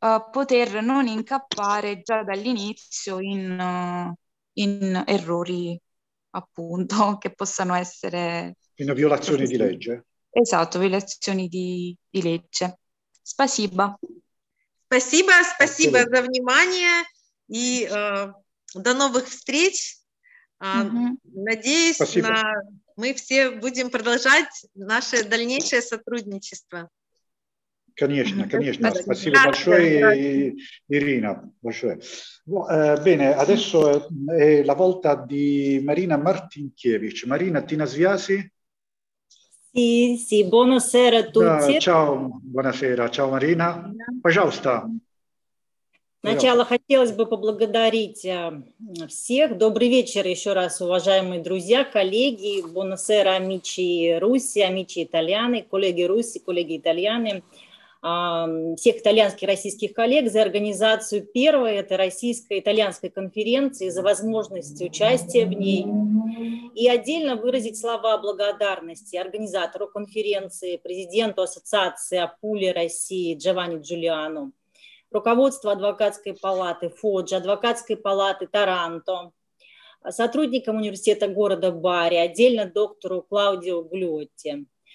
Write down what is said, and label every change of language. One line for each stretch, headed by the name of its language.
Italian: poter non incappare già dall'inizio in, in errori, appunto, che possano essere... In violazioni di legge. Esatto, violazioni di legge.
Russian: Спасибо. Спасибо, спасибо за внимание и до новых встреч. Надеюсь, на... мы все будем продолжать наше дальнейшее сотрудничество. Конечно, конечно. Спасибо большое, Ирина. Большое.
Italian: Bene, adesso è la volta di Marina Martinkiewicz. Marina, ti nasviasi? Sì, sì, buonasera a tutti. Ciao, buonasera, ciao Marina.
Russian: Пожалуйста. Сначала хотелось бы поблагодарить всех. Добрый вечер еще раз, уважаемые друзья, коллеги.
Italian: Buonasera, amici russi, amici italiani,
Russian: коллеги русси, коллеги итальяне. Всех итальянских и российских коллег за организацию первой этой российско-итальянской конференции, за возможность участия в ней. И отдельно выразить слова благодарности организатору конференции, президенту ассоциации Апулии России Джованни Джулиано, руководству адвокатской палаты Фоджи, адвокатской палаты Таранто, сотрудникам университета города Бари, отдельно доктору Клаудио Глюотти.